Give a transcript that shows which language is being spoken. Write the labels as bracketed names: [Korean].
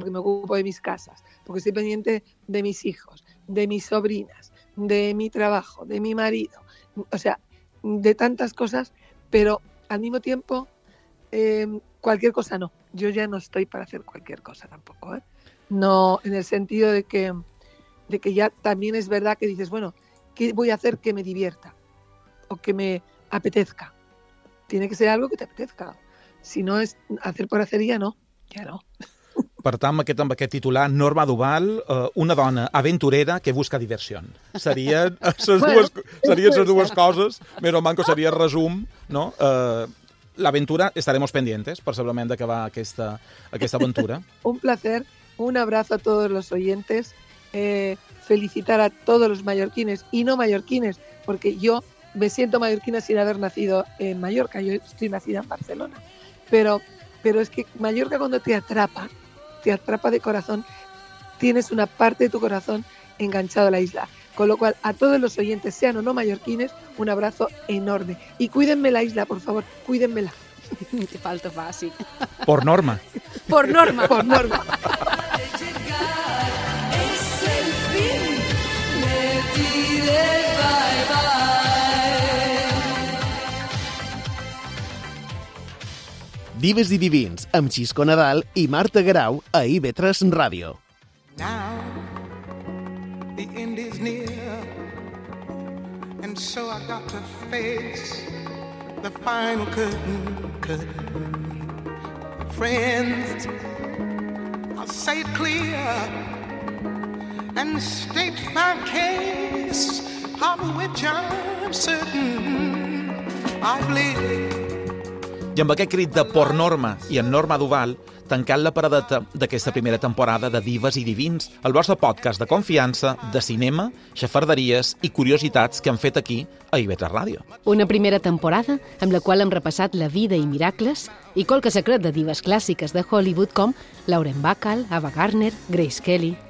[Spanish] Porque me ocupo de mis casas, porque estoy pendiente de mis hijos, de mis sobrinas, de mi trabajo, de mi marido, o sea, de tantas cosas, pero al mismo tiempo, cualquier cosa no. Yo ya no estoy para hacer cualquier cosa tampoco, ¿eh? No, en el sentido de que ya también es verdad que dices, bueno, ¿qué voy a hacer que me divierta o que me apetezca? tiene que ser algo que t'apetezca. Si no és hacer por hacer, [Catalan] ja no. Ja no. Per tant, amb aquest titular, Norma Duval, una dona aventurera que busca diversió. Serien les dues, serien les dues coses, més o manco seria resum, no? L'aventura, [Spanish] estaremos pendientes, [Catalan] per segurament d'acabar aquesta, aquesta aventura. [Spanish] Un placer, un abrazo a todos los oyentes, felicitar a todos los mallorquines y no mallorquines, porque yo me siento mallorquina sin haber nacido en Mallorca, yo estoy nacida en Barcelona. Pero es que Mallorca cuando te atrapa de corazón, tienes una parte de tu corazón enganchado a la isla. Con lo cual, a todos los oyentes, sean o no mallorquines, un abrazo enorme. Y cuídenme la isla, por favor, cuídenmela. Te falta fácil. Por Norma. Por Norma. Por Norma. [Catalan] Dives i Divins, amb Xisco Nadal i Marta Grau, a IB3 Ràdio. [English] Now, the end is near, and so I got to face the final curtain. Friends, I'll say it clear, and state my case, of which I'm certain I've lived. [Catalan] I amb aquest crit de Por Norma i en Norma Duval, tancant la paradeta d'aquesta primera temporada de Dives i Divins, el vostre podcast de confiança, de cinema, xafarderies i curiositats que han fet aquí a IB3 Ràdio. Una primera temporada amb la qual hem repassat la vida i miracles i qualque secret de divas clàssiques de Hollywood com Lauren Bacall, Ava Gardner, Grace Kelly...